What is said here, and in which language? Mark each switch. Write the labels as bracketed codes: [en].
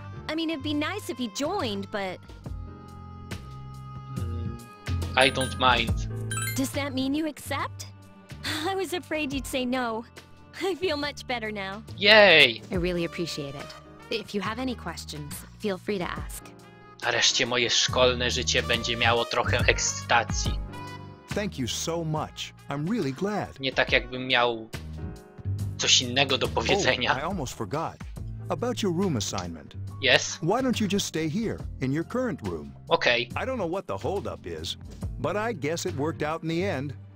[en] I mean, it'd be nice if he joined, but... I don't mind. Does that mean you accept? I was afraid you'd say no. I feel much better now. Yay! I really appreciate it. If you have any questions, feel free to ask. [pl] Nareszcie moje szkolne życie będzie miało trochę ekscytacji. [en] Thank you so much. I'm really glad. [pl] Nie tak jakbym miał coś innego do powiedzenia. [en] Oh, I almost forgot. About your room assignment. Yes. Why don't you just stay here, in your current room? Okay. I don't know what the holdup is, but I guess it worked out in the end.